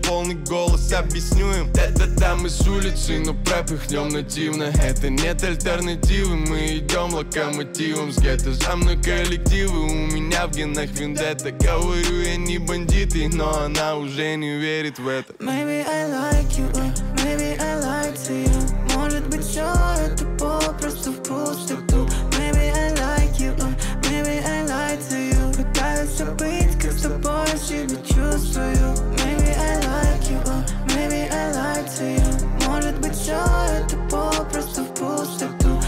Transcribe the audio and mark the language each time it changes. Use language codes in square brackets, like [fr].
[ru] Полный голос, объясню им, это там из улицы, но пропихнем нативно. Это нет альтернативы, мы идем локомотивом с гетто за мной. Коллективы у меня в генах вендетта. Говорю, я не бандит, но она уже не верит в это. [en] Maybe I like you, maybe I lied to you. [ru] Может быть, все это попросту в пустоту. [en] Maybe I like you, maybe I lied to you. [ru] Пытаюсь забыть, как с тобой себя чувствую. [en] Maybe I like you, maybe I lied to you. [ru] Может быть, все это попросту в пустоту.